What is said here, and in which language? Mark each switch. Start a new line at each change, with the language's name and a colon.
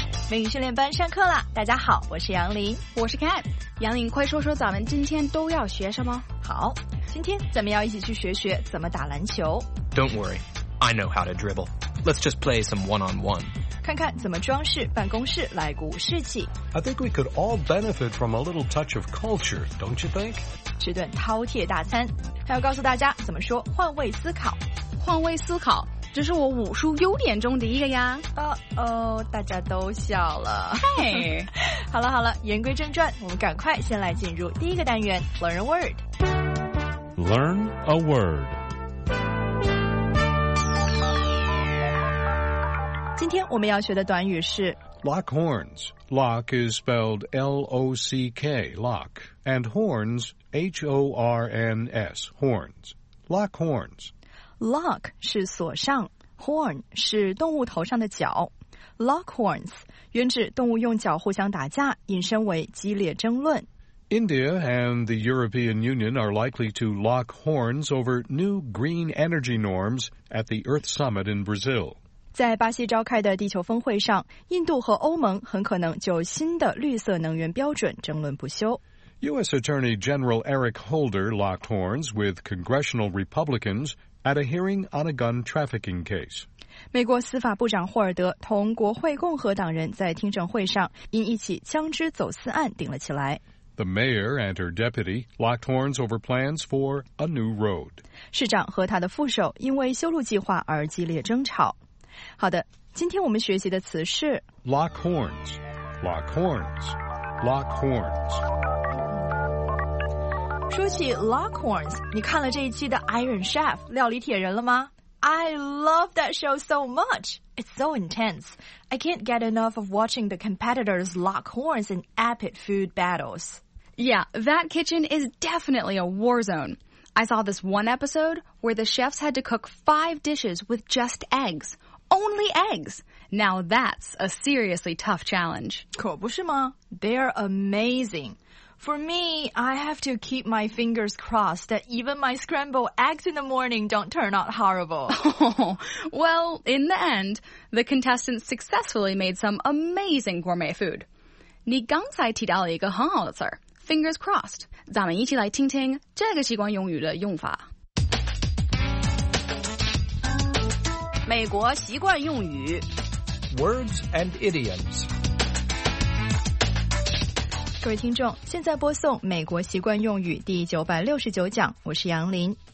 Chinese: 美语训练班上课了，大家好，我是杨林，我是 Cat。杨林，快说说咱们今天都要学什么。好，今天咱们要一起去学学怎么打篮球。
English: Don't worry, I know how to dribble. Let's just play some one-on-one.
Chinese: 看看怎么装饰办公室来鼓舞士气。
English: I think we could all benefit from a little touch of culture, don't you think?
Chinese: 吃顿饕餮大餐，还要告诉大家怎么说换位思考。换位思考，这是我武术优点中的一个呀。大家都笑了。嘿，好了好了，言归正传，我们赶快先来进入第一个单元
English: Learn a Word。 Learn a Word。
Chinese: 今天我们要学的短语是
English: Lock horns. Lock is spelled L-O-C-K, lock, and horns, H-O-R-N-S, horns. Lock horns.
Chinese: Lock 是锁上， horn 是动物头上的角。 Lock horns 原指动物用角互相打架，引申为激烈争论。
English: India and the European Union are likely to lock horns over new green energy norms at the Earth Summit in Brazil.
Chinese: 在巴西召开的地球峰会上，印度和欧盟很可能就新的绿色能源标准争论不休。
English: U.S. Attorney General Eric Holder locked horns with congressional Republicans at a hearing on a gun trafficking case.
Chinese: 美国司法部长霍尔德同国会共和党人在听证会上因一起枪支走私案顶了起来。
English: The mayor and her deputy locked horns over plans for a new road.
Chinese: 市长和他的副手因为修路计划而激烈争吵。好的，今天我们学习的词是
English: lock horns, lock horns, lock horns.
Chinese: 说起 Lock Horns, 你看了这一期的 Iron Chef, 料理铁人了吗？
English: I love that show so much. It's so intense. I can't get enough of watching the competitors lock horns in epic food battles. Yeah, that kitchen is definitely a war zone. I saw this one episode where the chefs had to cook 5 dishes with just eggs. Only eggs. Now that's a seriously tough challenge.
Chinese: 可不是吗？
English: They're amazing. For me, I have to keep my fingers crossed that even my scrambled eggs in the morning don't turn out horrible. Well, in the end, the contestants successfully made some amazing gourmet food.
Chinese: 你刚才提到了一个很好的词儿 fingers crossed. 咱们一起来听听这个习惯用语的用法。美国习惯用语
English: Words and idioms.
Chinese: 各位听众，现在播送美国习惯用语第969讲，我是杨林。